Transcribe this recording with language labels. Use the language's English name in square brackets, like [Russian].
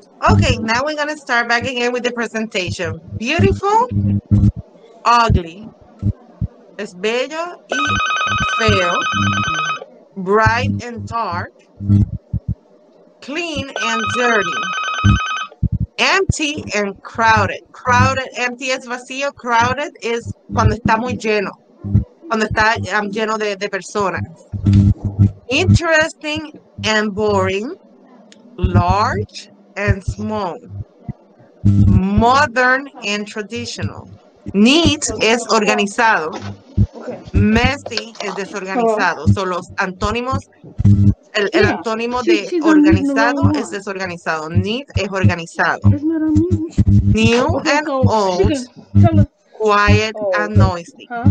[English] Okay, now we're gonna start back again with the presentation. Beautiful, ugly, es bello y feo, bright and dark, clean and dirty, empty and crowded. [Spanish] Crowded, empty es vacío, crowded es cuando está muy lleno, cuando está lleno de personas. [English] Interesting and boring, large, and small, modern and traditional. [Spanish] Neat es organizado, messy es desorganizado. So los antónimos, el antónimo de organizado es desorganizado. Neat es organizado. [English] New and old, quiet and noisy.